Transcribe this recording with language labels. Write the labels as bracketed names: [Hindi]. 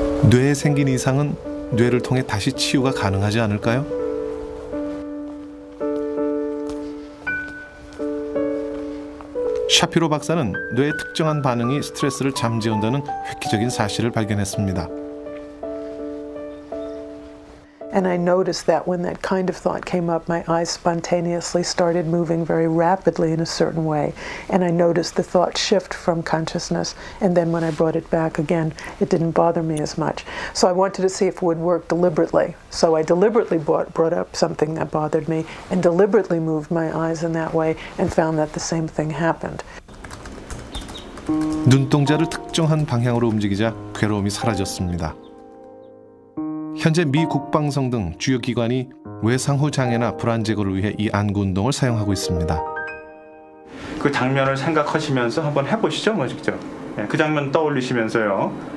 [Korean] 뇌에 생긴 이상은 뇌를 통해 다시 치유가 가능하지 않을까요? 샤피로 박사는 뇌의 특정한 반응이 스트레스를 잠재운다는 획기적인 사실을 발견했습니다. [English] And I noticed that when that kind of thought came up, my eyes spontaneously started moving very rapidly in a certain way. And I noticed the thought shift from consciousness. And then when I brought it back again, it didn't bother me as much. So I wanted to see if it would work deliberately. So I deliberately brought up something that bothered me and deliberately moved my eyes in that way and found that the same thing happened. [Korean] 눈동자를 특정한 방향으로 움직이자 괴로움이 사라졌습니다. 현재 미 국방성 등 주요 기관이 외상후 장애나 불안 제거를 위해 이 안구 운동을 사용하고 있습니다. 그 장면을 생각하시면서 한번 해보시죠, 뭐 직접. 예, 그 장면 떠올리시면서요.